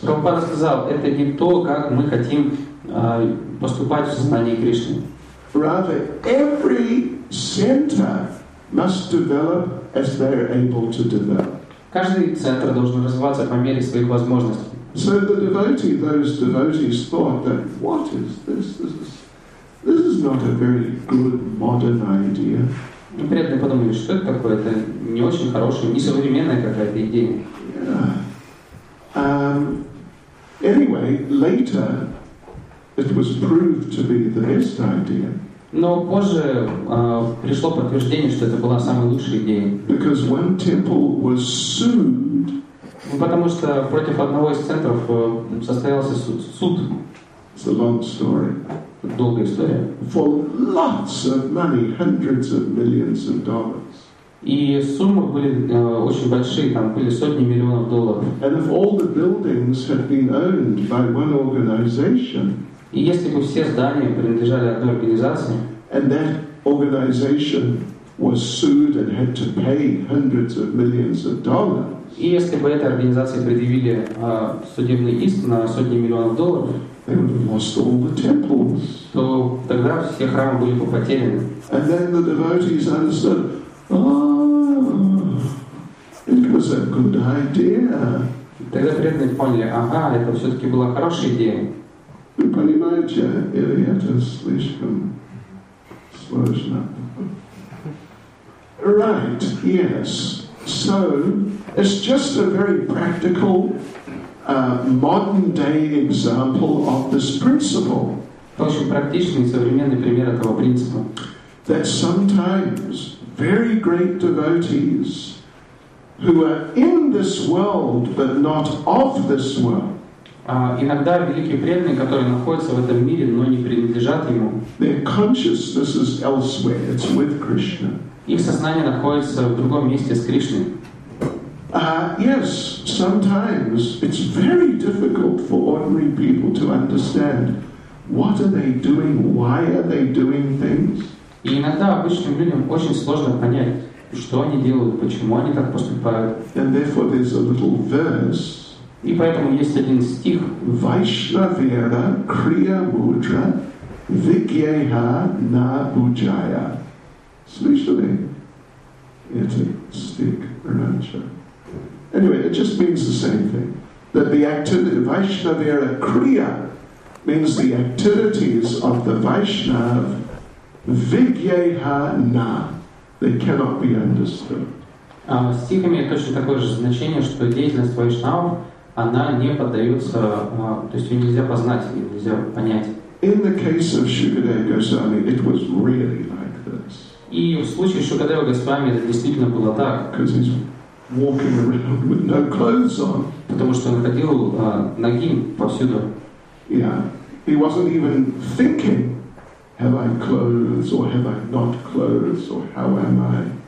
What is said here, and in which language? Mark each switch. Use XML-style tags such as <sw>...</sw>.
<ru>Prabhupada сказал, это не то, как мы хотим поступать в сознании Кришны.</ru> <en>Rather, every center must develop as they are able to develop.</en> <ru>Каждый центр должен развиваться по мере своих возможностей.</ru> <en>So the devotee, those devotees thought that, what is this? This is not a very good modern idea.</en> <ru>И преданные подумали, что это такое? Это не очень хорошая, не современная какая-то идея.</ru> <en>Anyway, later it was proved to be the best idea.</en> <ru>Но позже пришло подтверждение, что это была самая лучшая идея.</ru> <en>Because one temple was sued.</en> <ru>Потому что против одного из центров состоялся суд.</ru> <en>It's a long story.</en> <ru>Долгая история.</ru> <en>For lots of money, hundreds of millions of dollars.</en> <ru>И суммы были очень большие, там были сотни миллионов долларов.</ru> <en>And if all the buildings had been owned by one organization.</en> <ru>И если бы все здания принадлежали одной организации.</ru> <en>And that organization was sued and had to pay hundreds of millions of dollars.</en> <ru>И если бы этой организации предъявили судебный иск на сотни миллионов долларов.</ru> <en>They would have lost all the temples.</en> <ru>То тогда все храмы были бы потеряны.</ru> <en>And then the devotees understood, oh, it was a good idea.</en> <ru>Тогда преданные поняли, ага, это все-таки была хорошая идея. Вы понимаете, или это слишком сложно?</ru> <en>Right, yes. So, it's just a very practical, modern-day example of this principle.</en> <ru>Очень практичный и современный пример этого принципа.</ru> <en>That sometimes very great devotees who are in this world but not of this world.</en> <ru>Иногда великие преданные, которые находятся в этом мире, но не принадлежат ему.</ru> <en>Their consciousness is elsewhere. It's with Krishna.</en> <ru>Их сознание находится в другом месте с Кришной.</ru> <en>Yes, sometimes it's very difficult for ordinary people to understand what are they doing, why are they doing things.</en> <ru>И иногда обычным людям очень сложно понять, что они делают, почему они так поступают.</ru> <en>And therefore there's a little verse.</en> <ru>И поэтому есть один стих.</ru> <bn>Vaishnavera kriya mudra vigyeha na bujaya.</bn> <ru>Слышали? Это стих раньше.</ru> <en>Anyway, it just means the same thing. That the activity, Vaishnavera kriya means the activities of the Vaishnav</en> <bn>vigyeha na.</bn> <en>They cannot be understood.</en> <ru>Стих имеет точно такое же значение, что деятельность Вайшнава, она не поддается, то есть ее нельзя познать, ее нельзя понять.</ru> <en>In the case of Shukadeva Goswami, it was really like this.</en> <ru>И в случае Шукадева Госвами это действительно было так.</ru> <en>Because he's walking around with no clothes on.</en> <ru>Потому что он ходил нагим повсюду.</ru> <en>Yeah. He wasn't even thinking, have I clothes or have I not clothes or how am I?</en>